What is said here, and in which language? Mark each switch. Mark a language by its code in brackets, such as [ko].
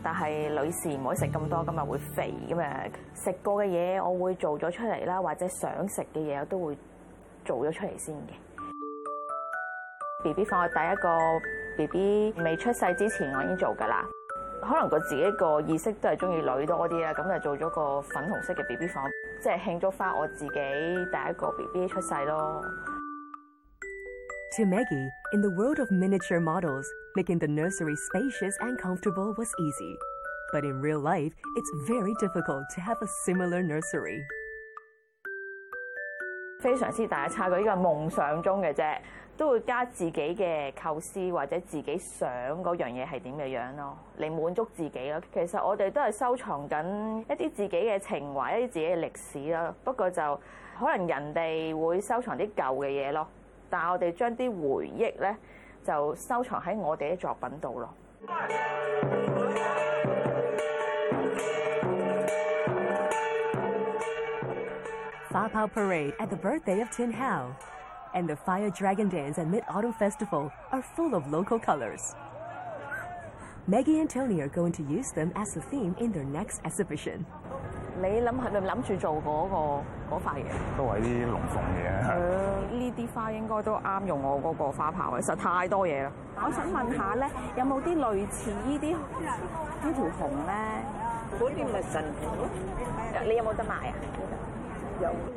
[yue] 但係女士唔可以食咁多，咁啊會肥咁啊。食過嘅嘢我會做咗出嚟啦，或者想食嘅嘢我都會做咗出嚟先嘅。 B B 放我第一個 B B 未出世之前，我已經做噶啦。可能自己的意識都是喜歡女多一點，就做了個粉紅色的 BB 房，就是慶祝我自己第一個 BB 出世咯。 [en] To Maggie, in the world of miniature models, making the nursery spacious and comfortable was easy. But in real life, it's very difficult to have a similar nursery. [yue] 非常大的差距，這個是夢想中的，都會加自己的構思或者自己想那樣東西是怎樣的來滿足自己。其實我們都是收藏一些自己的情懷，一些自己的歷史，不過就可能人家會收藏一些舊的東西，但我們將一些回憶呢就收藏在我們的作品中。 [en] 花炮 parade at the birthday of Tin Hao. And the Fire Dragon Dance at Mid-Autumn Festival are full of local colors. Maggie and Tony are going to use them as a theme in their next exhibition. [yue] 你諗係咪諗住做嗰塊嘢？都係啲龍鳳嘢。呢啲花應該都啱用我嗰個花炮嘅，實太多嘢啦。我想問一下咧，有冇啲類似呢啲呢條紅咧？嗰啲咪神符？你有冇得賣啊？有。